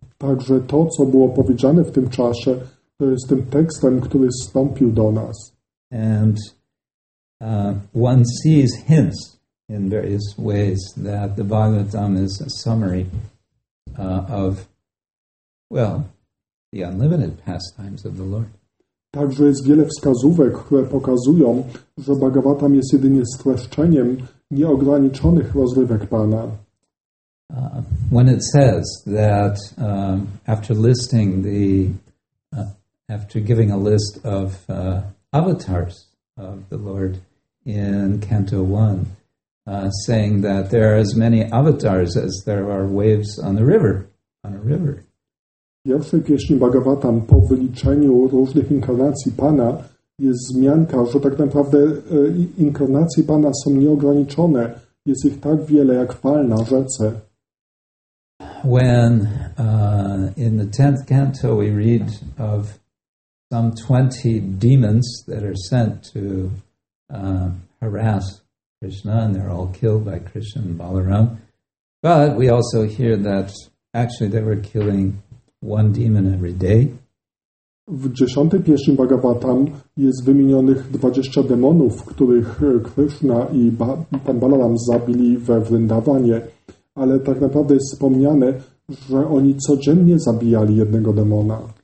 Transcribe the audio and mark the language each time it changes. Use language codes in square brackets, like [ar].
[pl] Także to, co było powiedziane w tym czasie, to jest tym tekstem, który zstąpił do nas. [en] And one sees hints in various ways that the Bhagavatam is a summary of, well, the unlimited pastimes of the Lord. [pl] Także jest wiele wskazówek, które pokazują, że Bhagavatam jest jedynie streszczeniem nieograniczonych rozrywek Pana. [en] When it says that after listing the after giving a list of avatars of the Lord in Canto 1, saying that there are as many avatars as there are waves on the river, on a river. [pl] Pierwszej pieśni Bhagavatam po wyliczeniu różnych inkarnacji Pana jest zmianka, że tak naprawdę inkarnacje Pana są nieograniczone. Jest ich tak wiele jak fal na rzece. [en] When in the 10th canto we read of some 20 demons that are sent to harass Krishna, and they're all killed by Krishna and Balaram. But we also hear that actually they were killing one demon every day. [pl] W 10. pieśni Bhagavatam jest wymienionych 20 demonów, których Krishna i pan Balaram zabili we Wrindawanie, ale tak naprawdę jest wspomniane, że oni codziennie zabijali jednego demona.